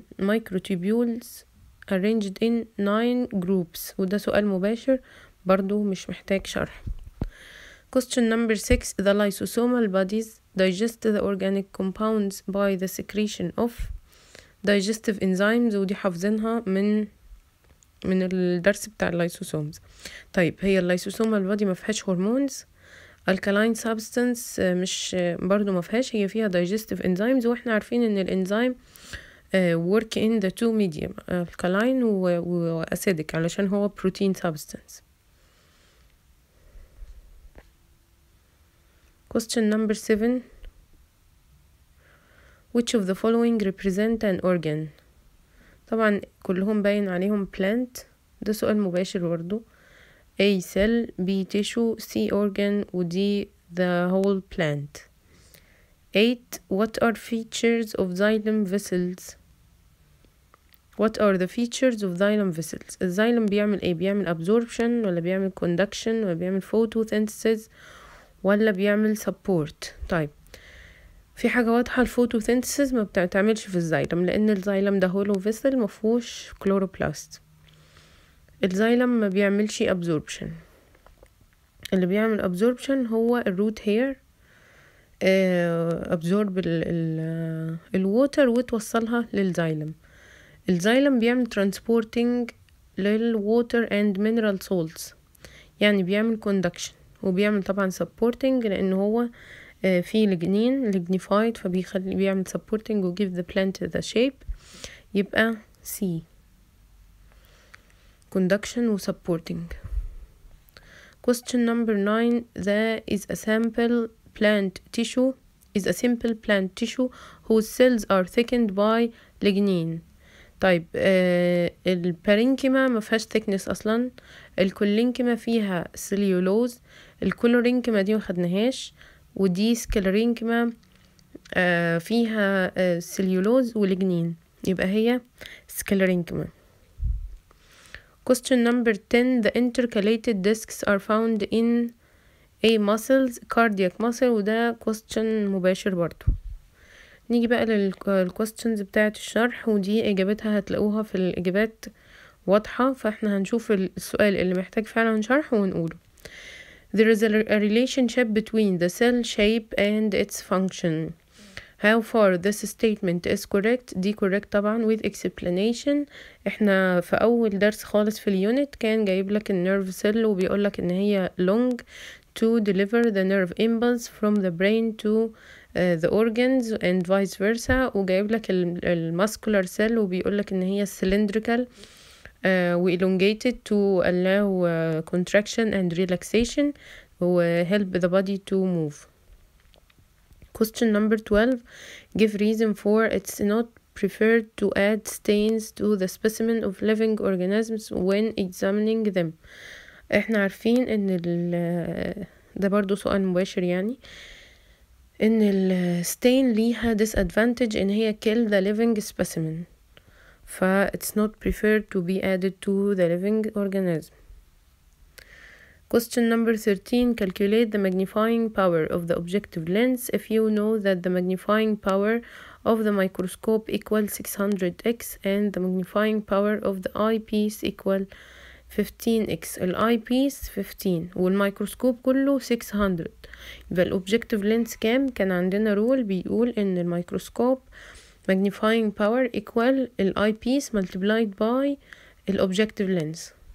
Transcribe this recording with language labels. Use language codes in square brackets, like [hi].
[en] Microtubules arranged in 9 groups. [ar] وده سؤال مباشر برضو مش محتاج شرح. [en] question number 6: the lysosomal bodies digest the organic compounds by the secretion of digestive enzymes. [ar] ودي حافظينها من الدرس بتاع الليسوسومز. طيب هي الليسوسوم البادي ما فيهاش هرمونز، الكالين سابستنس مش برضو ما فيهاش، هي فيها digestive enzymes، واحنا عارفين ان الانزيم [en] work in the two medium، [ar] الكالين واسيدك، علشان هو protein substance. [en] question number 7: which of the following represent an organ. [ar] طبعا كلهم باين عليهم plant، ده سؤال مباشر برضو. [en] A cell، B tissue، C organ، وD the whole plant. 8: what are features of xylem vessels. what are the features of xylem vessels. [ar] الزايلم بيعمل ايه؟ بيعمل absorption ولا بيعمل conduction ولا بيعمل photosynthesis ولا بيعمل سبورت؟ طيب في حاجة واضحة، الفوتوسينثيسيس ما بتعملش في الزايلم، لان الزايلم ده هولو فيسل مفهوش كلوروبلاست، الزايلم ما بيعملش ابزوربشن. اللي بيعمل ابزوربشن هو الروت هير، ابزورب الووتر وتوصلها للزايلم. الزايلم بيعمل ترانسبورتنج للووتر اند مينرال سولتس، يعني بيعمل كوندكشن، وبيعمل طبعا سبورتنج لان هو فيه لجنين لجنيفايد، فبيخلي بيعمل سبورتنج و [en] give the plant the shape. يبقى C conduction و supporting. question number 9: there is a simple plant tissue whose cells are thickened by lignin. [ar] طيب البارينكيما ما فيهاش thickness اصلا، الكولينكيما فيها سليولوز، الكولورينكيما دي ما خدناهاش، ودي سكلارينكيما فيها سليولوز ولجنين، يبقى هي سكلارينكيما. [en] question number 10: the intercalated discs are found in a muscles cardiac muscle. [ar] وده question مباشر برضو. نيجي بقى للquestions بتاعة الشرح، ودي إجابتها هتلاقوها في الإجابات واضحة. فاحنا هنشوف السؤال اللي محتاج فعلا شرح ونقوله. [en] There is a relationship between the cell shape and its function. How far this statement is correct? دي correct طبعا with explanation. [ar] احنا في أول درس خالص في اليونت كان جايب لك النيرف سيل وبيقول لك ان هي [en] long to deliver the nerve impulse from the brain to the organs and vice versa، [ar] وجايب لك المسكولار سيل وبيقول لك ان هي cylindrical وelongated [en] to allow contraction and relaxation و help the body to move. Question number 12. Give reason for it's not preferred to add stains to the specimen of living organisms when examining them. [ar] احنا عارفين ان ده برضو سؤال مباشر، يعني ان الستين ليها disadvantage ان هي [en] kill the living specimen. ف it's not preferred to be added to the living organism. Question number 13. Calculate the magnifying power of the objective lens. If you know that the magnifying power of the microscope equals 600x and the magnifying power of the eyepiece equals 15x. [ar] ال eyepiece 15 والميكروسكوب كله 600. [en] يبقى ال objective lens كام؟ كان عندنا rule بيقول ان الميكروسكوب magnifying power equal ال eyepiece multiplied by ال objective lens.